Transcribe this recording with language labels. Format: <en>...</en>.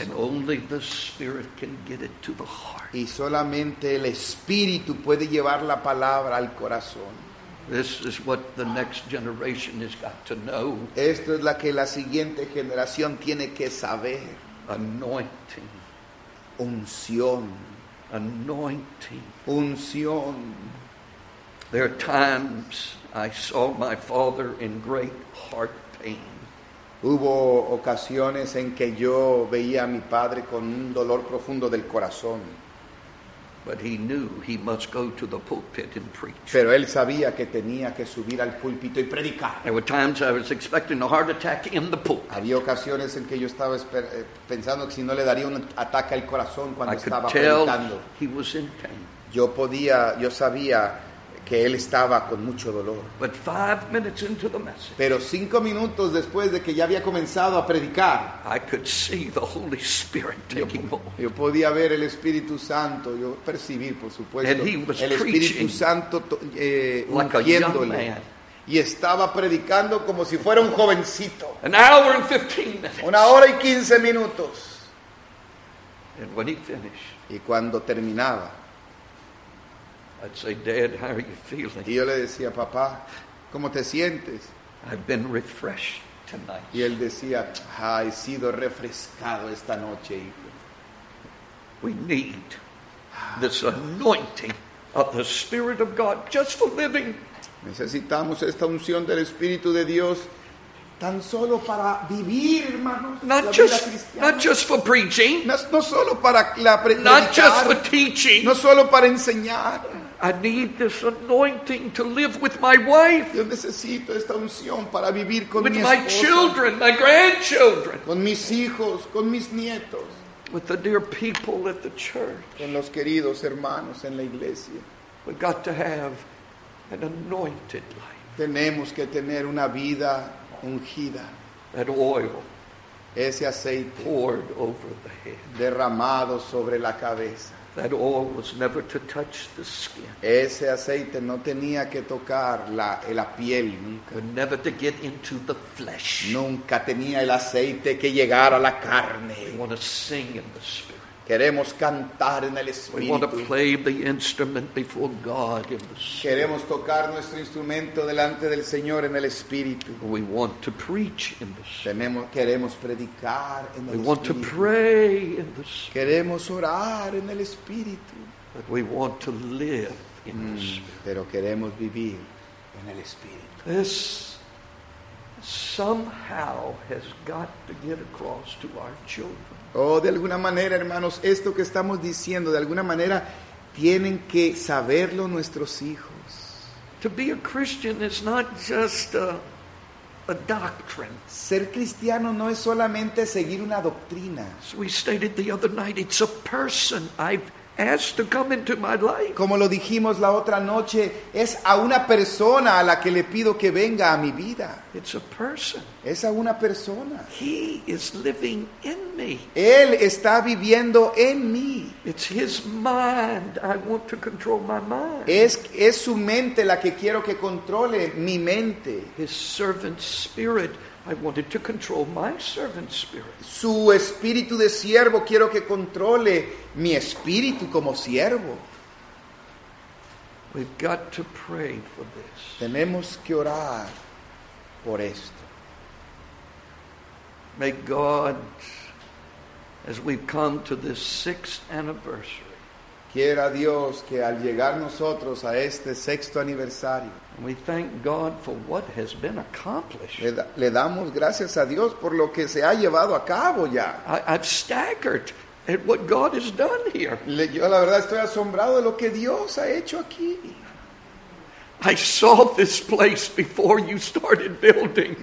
<en>And only the Spirit can get it to the heart.</en> <es>Y solamente el Espíritu puede llevar la palabra al corazón.</es> <en>This is what the next generation has got to know.</en> <es>Esto es lo que la siguiente generación tiene que saber.</es> <en>Anointing.</en> <es>Unción.</es> <en>Anointing.</en> <es>Unción.</es> <en>There are times I saw my father in great heart pain.</en> <es>Hubo ocasiones en que yo veía a mi padre con un dolor profundo del corazón.</es> <en>But he knew he must go to the pulpit and preach.</en> <es>Pero él sabía que tenía que subir al púlpito y predicar.</es> <en>There were times I was expecting a heart attack in the pulpit.</en> <es>Había ocasiones en que yo estaba pensando que si no le daría un ataque al corazón cuando</es> <en>I</en> <es>estaba</es> <en>could tell</en> <es>predicando.</es> <en>He was in pain.</en> <es>Yo sabía que él estaba con mucho dolor.</es> <en>But 5 minutes into the message,</en> <es>pero 5 minutos después de que ya había comenzado a predicar,</es> <en>I could see the Holy Spirit taking hold.</en> <es>Yo podía ver el Espíritu Santo, yo percibir, por supuesto,</es> <en>and he was</en> <es>el Espíritu Santo ungiéndole.</es> <en>Like a young man.</en> <es>Y estaba predicando como si fuera un jovencito.</es> <en>An hour and 15 minutes.</en> <es>Una hora y 15 minutos.</es> <en>And when he finished,</en> <es>y cuando terminaba,</es> <en>I'd say, Dad, how are you feeling?</en> <es>Y yo le decía, papá, ¿cómo te sientes?</es> <en>I've been refreshed tonight.</en> <es>Y él decía, he sido refrescado esta noche, hijo.</es> <en>We need this anointing of the Spirit of God just for living.</en> <es>Necesitamos esta unción del Espíritu de Dios tan solo para vivir, hermanos.</es> <en>Not just for preaching.</en> <es>No solo para la predicar.</es> <en>Not just for teaching.</en> <es>No solo para enseñar.</es> <en>I need this anointing to live with my wife.</en> <es>Yo necesito esta unción para vivir con</es> <en>with</en> <es>mi esposa.</es> <en>With my children, my grandchildren.</en> <es>Con mis hijos, con mis nietos.</es> <en>With the dear people at the church.</en> <es>Con los queridos hermanos en la iglesia.</es> <en>We got to have an anointed life.</en> <es>Tenemos que tener una vida ungida.</es> <en>That oil.</en> <es>Ese aceite.</es> <en>Poured over the head.</en> <es>Derramado sobre la cabeza.</es> <en>That oil was never to touch the skin.</en> <es>Ese aceite no tenía que tocar la piel nunca.</es> <en>But never to get into the flesh.</en> <es>Nunca tenía el aceite que llegara a la carne.</es> <en>We want to sing in the spirit.</en> <es>Queremos cantar en el Espíritu.</es> <en>We want to play the instrument before God in the Spirit.</en> <es>Queremos tocar nuestro instrumento delante del Señor en el Espíritu.</es> <en>We want to preach in the Spirit.</en> <es>Queremos predicar en el Espíritu.</es> <en>We want to pray in the Spirit.</en> <es>Queremos orar en el Espíritu.</es> <en>But we want to live in the Spirit.</en> <es>Pero queremos vivir en el Espíritu.</es> <en>This somehow has got to get across to our children.</en> <es>Oh, de alguna manera, hermanos, esto que estamos diciendo, de alguna manera, tienen que saberlo nuestros hijos.</es> <en>To be a Christian is not just a doctrine.</en> <es>Ser cristiano no es solamente seguir una doctrina.</es> <en>As we stated the other night, it's a person I've asked to come into my life.</en> <es>Como lo dijimos la otra noche, es a una persona a la que le pido que venga a mi vida.</es> <en>It's a person.</en> <es>Es a una persona.</es> <en>He is living in me.</en> <es>Él está viviendo en mí.</es> <en>It's his mind. I want to control my mind.</en> <es>Es su mente la que quiero que controle mi mente.</es> <en>His servant spirit. I wanted to control my servant spirit.</en> <es>Su espíritu de siervo quiero que controle mi espíritu como siervo.</es> <en>We've got to pray for this.</en> <es>Tenemos que orar por esto.</es> <en>May God, as we've come to this 6th anniversary.</en> <es>Quiera Dios que al llegar nosotros a este 6th anniversario.</es> <en>We thank God for what has been accomplished.</en> <es>Le damos gracias a Dios por lo que se ha llevado a cabo ya.</es> <en>I'm staggered at what God has done here.</en> <es>Yo la verdad estoy asombrado de lo que Dios ha hecho aquí.</es> <en>I saw this place before you started building.</en>